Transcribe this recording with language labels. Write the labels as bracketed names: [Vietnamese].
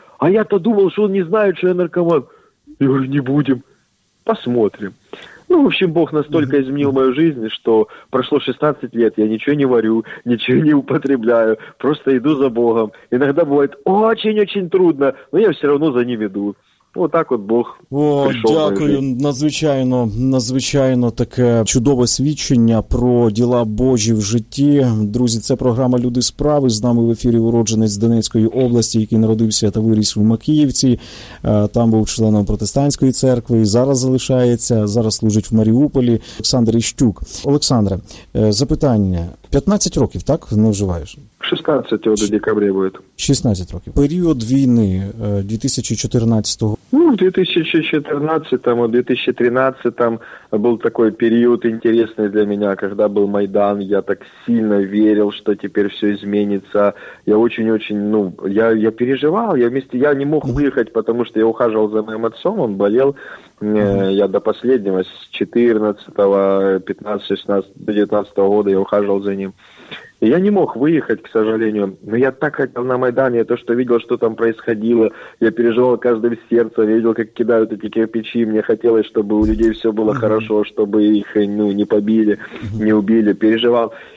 [Russian] А я-то думал, что он не знает, что я наркоман. Я говорю, не будем. Посмотрим. Ну, в общем, Бог настолько изменил мою жизнь, что прошло 16 лет, я ничего не варю, ничего не употребляю, просто иду за Богом. Иногда бывает очень-очень трудно, но я все равно за ним иду. Вот так вот Бог пришел. [Ukrainian] Дякую, надзвичайно, надзвичайно таке чудове свідчення про діла Божі в житті. Друзі, це програма «Люди справи». З нами в ефірі уродженець Донецької області, який народився та виріс в Макіївці. Там був членом протестантської церкви і зараз залишається, зараз служить в Маріуполі. Олександр Іщук. Олександре, запитання. 15 років, так, не вживаєш? [Russian] 16 до декабря буде. [Ukrainian] 16 років. Період війни 2014-го. Ну, в 2014-му, 2013-му був такий період інтересний для мене, коли був Майдан, я так сильно вірив, що тепер все зміниться. [Russian] Я очень-очень, [Ukrainian] ну, я переживав, я [Russian] не мог [Ukrainian] виїхати, тому що я ухаживав за моїм отцом, він болів. [Russian] Я до последнего, с 14-го, 15-го, 16-го, 19-го года я ухаживал за ним. Я не мог выехать, к сожалению, но я так хотел на Майдане, то, что видел, что там происходило, я переживал каждое сердце, видел, как кидают эти кирпичи, мне хотелось, чтобы у людей все было хорошо, чтобы их не побили, не убили, переживал.